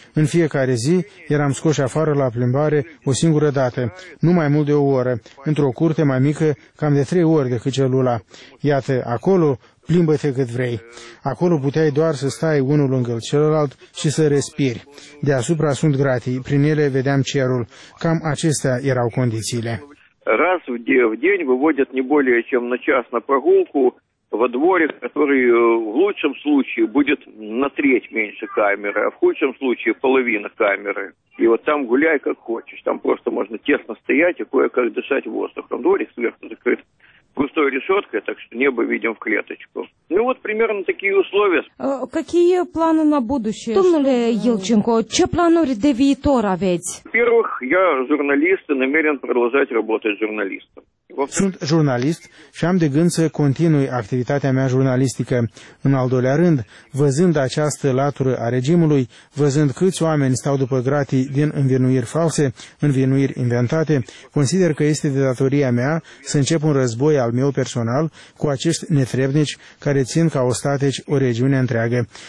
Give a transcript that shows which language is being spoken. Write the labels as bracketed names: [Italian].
[Romanian] În fiecare zi eram scoși afară la plimbare o singură dată, nu mai mult de o oră, într-o curte mai mică, cam de 3 ori decât celula. Iată, acolo plimbă-te cât vrei. Acolo puteai doar să stai unul lângă celălalt și să respiri. Deasupra sunt gratii, prin ele vedeam cerul. Cam acestea erau condițiile. [Russian] Раз в день выводят не более чем на час на прогулку во дворе, который в лучшем случае будет на треть меньше камеры, а в худшем случае половина камеры. И вот там гуляй как хочешь, там просто можно тесно стоять и кое-как дышать воздухом. Дворик сверху закрыт густой решеткой, так что небо видим в клеточку. Ну вот примерно такие условия. Какие планы на будущее? [Romanian] Domnule Ilchenko, ce planuri de viitor aveți? [Russian] Во-первых, я журналист и намерен продолжать работать журналистом. [Romanian] Sunt jurnalist și am de gând să continui activitatea mea jurnalistică. În al doilea rând, văzând această latură a regimului, văzând câți oameni stau după gratii din învinuiri false, învinuiri inventate, consider că este de datoria mea să încep un război al meu personal cu acești netrebnici care țin ca ostateci o regiune întreagă.